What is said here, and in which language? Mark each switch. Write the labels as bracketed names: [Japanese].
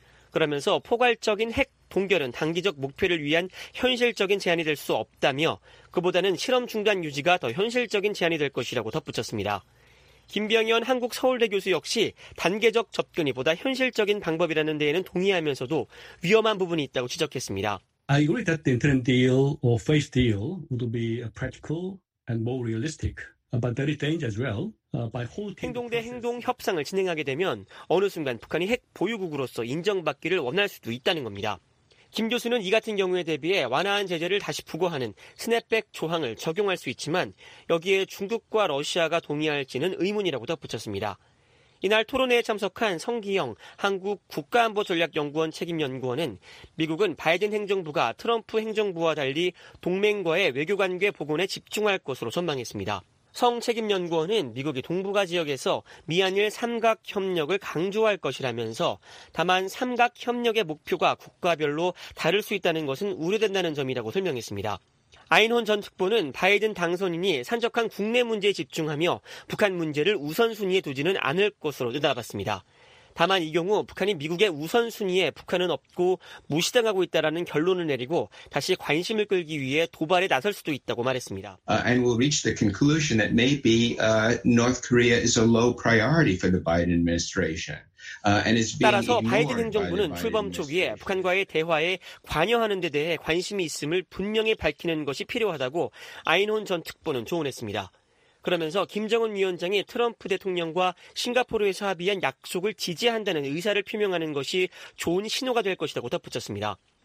[Korean] 그러면서 포괄적인 핵 동결은 단기적 목표를 위한 현실적인 제안이 될 수 없다며 그보다는 실험 중단 유지가 더 현실적인 제안이 될 것이라고 덧붙였습니다. 김병현 한국서울대 교수 역시 단계적 접근이 보다 현실적인 방법이라는 데에는 동의하면서도 위험한 부분이 있다고 지적했습니다. [English] I agree that the interim deal or phase deal would be practical and more realistic. But there is danger as well. By holding [Korean] 행동 대 행동 협상을 진행하게 되면 어느 순간 북한이 핵 보유국으로서 인정받기를 원할 수도 있다는 겁니다. 김 교수는 이 같은 경우에 대비해 완화한 제재를 다시 부과하는 스냅백 조항을 적용할 수 있지만 여기에 중국과 러시아가 동의할지는 의문이라고 덧붙였습니다. 이날 토론회에 참석한 성기영 한국 국가안보전략연구원 책임연구원은 미국은 바이든 행정부가 트럼프 행정부와 달리 동맹과의 외교관계 복원에 집중할 것으로 전망했습니다. 성 책임연구원은 미국이 동북아 지역에서 미한일 삼각협력을 강조할 것이라면서 다만 삼각협력의 목표가 국가별로 다를 수 있다는 것은 우려된다는 점이라고 설명했습니다. 아인혼 전 특보는 바이든 당선인이 산적한 국내 문제에 집중하며 북한 문제를 우선순위에 두지는 않을 것으로 내다봤습니다. 다만 이 경우 북한이 미국의 우선순위에 북한은 없고 무시당하고 있다라는 결론을 내리고 다시 관심을 끌기 위해 도발에 나설 수도 있다고 말했습니다. [English] And we'll reach the conclusion that maybe North Korea is a low priority for the Biden administration. [Korean] 따라서 바이든 행정부는 출범 초기에 북한과의 대화에 관여하는 데 대해 관심이 있음을 분명히 밝히는 것이 필요하다고 아인혼 전 특보는 조언했습니다. 그러면서 김정은 위원장이 트럼프 대통령과 싱가포르에서 합의한 약속을 지지한다는 의사를 표명하는 것이 좋은 신호가 될 것이라고 덧붙였습니다.